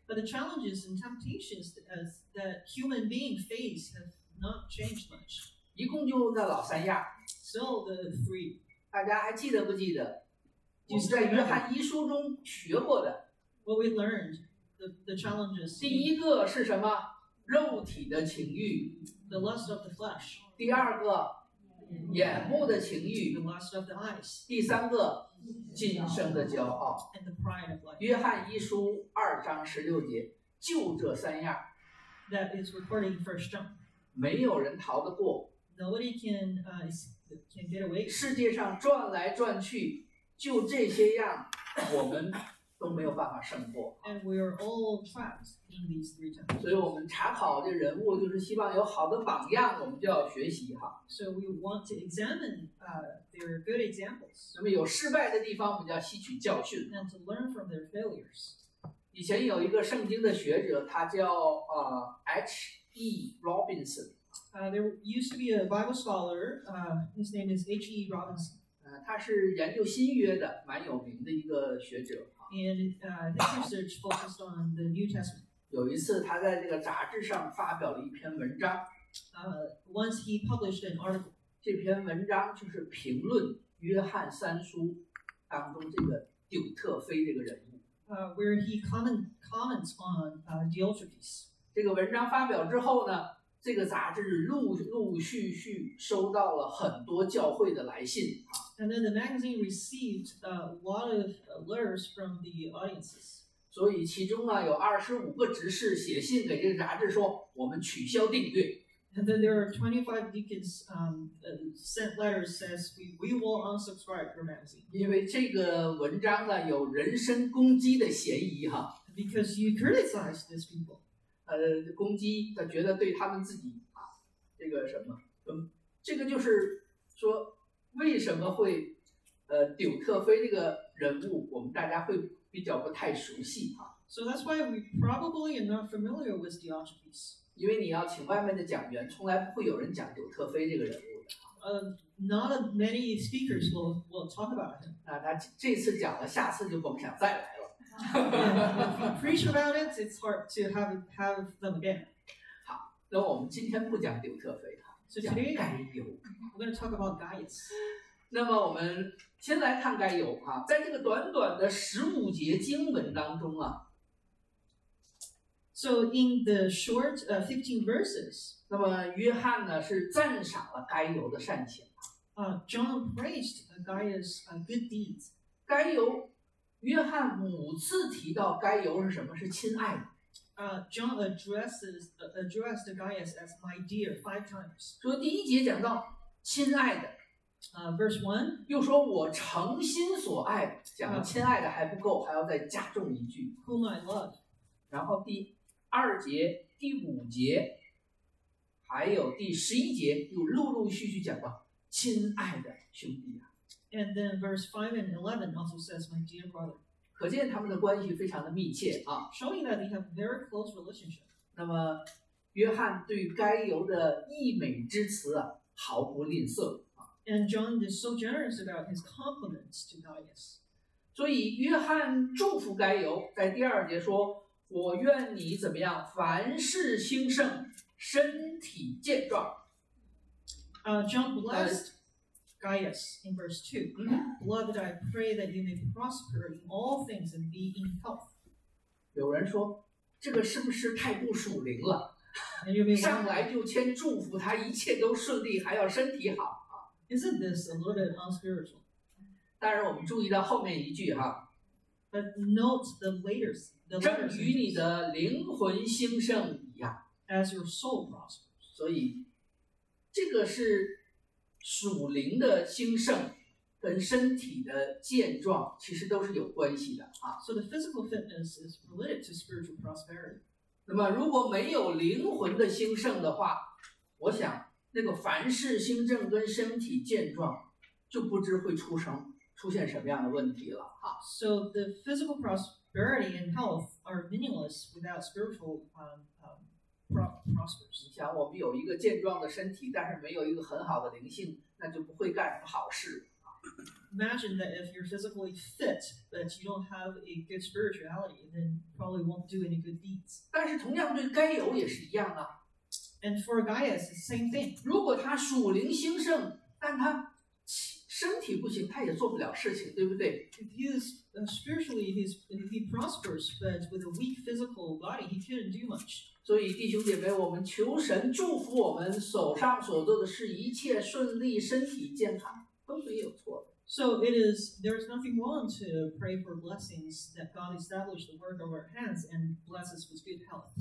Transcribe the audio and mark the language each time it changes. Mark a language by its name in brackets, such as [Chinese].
[English] But the challenges and temptations that human beings face have not changed much. [Chinese] 一共就那老三样。 [English] So the three. [Chinese] 大家还记得不记得？我们在约翰一书中学过的。 [English] What we learned. The challenges. [Chinese] 第一个是什么？肉体的情欲。 [English] The lust of the flesh. [Chinese] 第二个，眼目的情欲。 [English] The lust of the eyes. [Chinese] 第三个，今生的骄傲。 [English] And the pride of life. [Chinese] 约翰一书2:16，就这三样。 [English] That is recorded in First John. [Chinese] 没有人逃得过。 [English] Nobody can get away. [Chinese] 世界上转来转去，就这些样，我们。都没有办法胜过。 [English] And we are all trapped in these three times. [Chinese] 所以我们查考这人物，就是希望有好的榜样，我们就要学习哈。 [English] So we want to examine their good examples. [Chinese] 那么有失败的地方，我们就要吸取教训。 [English] And to learn from their failures. [Chinese] 以前有一个圣经的学者，他叫H.E. [English] Robinson. There used to be a Bible scholar. His name is H.E. Robinson. [Chinese] 他是研究新约的，蛮有名的一个学者。 [English] And his research focused on the New Testament. [Chinese] 有一次，他在这个杂志上发表了一篇文章。 [English] Once he published an article. [Chinese] 这篇文章就是评论约翰三书当中这个丢特非这个人物。 [English] Where he comments on Diotrephes. [Chinese] 这个文章发表之后呢，这个杂志陆续收到了很多教会的来信。 [English] And then the magazine received a lot of letters from the audiences. [Chinese] 所以其中呢，有25个执事写信给这个杂志说，我们取消订阅。 [English] And then there are 25 deacons sent letters says we will unsubscribe from magazine. [Chinese] 因为这个文章呢有人身攻击的嫌疑哈。 [English] Because you criticize these people. [Chinese] 攻击他觉得对他们自己啊这个什么这个就是说为什么会丢特非这个人物我们大家会比较不太熟悉哈。 [English] So that's why we probably are not familiar with Diotrephes. [Chinese] 因为你要请外面的讲员，从来不会有人讲丢特非这个人物的。 [English] Not many speakers will talk about him. [Chinese] 啊，他这次讲了，下次就甭想再来了。 [English] Preach about it, it's hard to have them again. [Chinese] 好，那我们今天不讲丢特非哈，讲该由。 [English] We're going to talk about Gaius. [Chinese] 那么我们先来看该由哈，在这个短短的十五节经文当中啊。 [English] So in the short 15 verses, [Chinese] 那么约翰呢是赞赏了该由的善行。 [English] John praised Gaius' good deeds. [Chinese] 该由，约翰五次提到该由是什么？是亲爱的。 [English] John addressed Gaius as my dear 5 times. [Chinese] 说第一节讲到亲爱的。 [English] Verse 1, [Chinese] 又说我诚心所爱，讲亲爱的还不够，还要再加重一句。 [English] Whom I love. [Chinese] 然后第二节、第五节，还有第十一节，又陆陆续续讲到亲爱的兄弟啊。 [English] And then verse 5 and 11 also says, my dear brother. [Chinese] 可见他们的关系非常的密切啊。 [English] Showing that they have very close relationship. [Chinese] 那么，约翰对该由的溢美之词啊，毫不吝啬啊。 [English] And John is so generous about his compliments to Gaius. [Chinese] 所以约翰祝福该由，在第二节说。我愿你怎么样？凡事兴盛，身体健壮。 [English] John blessed Gaius in verse 2. Beloved, I pray that you may prosper in all things and be in health. [Chinese] 有人说，这个是不是太不属灵了？上来就先祝福他一切都顺利，还要身体好。 [English] Isn't this a little bit unspiritual? [Chinese] 但是我们注意到后面一句哈。 [English] But note the later sentence. [Chinese] 正与你的灵魂兴盛一样 [English] ，as your soul prospers。 [Chinese] 所以，这个是属灵的兴盛跟身体的健壮，其实都是有关系的啊。 [English] So the physical fitness is related to spiritual prosperity。 [Chinese] 那么，如果没有灵魂的兴盛的话，我想那个凡事兴盛跟身体健壮，就不知会出现什么样的问题了啊。 [English] So the physical prosperity and health are meaningless without spiritual prospers. [Chinese] 你想，我们有一个健壮的身体，但是没有一个很好的灵性，那就不会干什么好事。 [English] Imagine that if you're physically fit, but you don't have a good spirituality, then probably won't do any good deeds. [Chinese] 但是同样对该由也是一样啊。 [English] And for Gaius, the same thing. [Chinese] 如果他属灵兴盛，但他身体不行，他也做不了事情，对不对？ [English] If he is spiritually, he prospers, but with a weak physical body, he couldn't do much. [Chinese] 所以弟兄姐妹，我们求神祝福我们手上所做的事一切顺利，身体健康，都没有错的。 [English] So it is, there is nothing wrong to pray for blessings that God established the work of our hands and bless us with good health.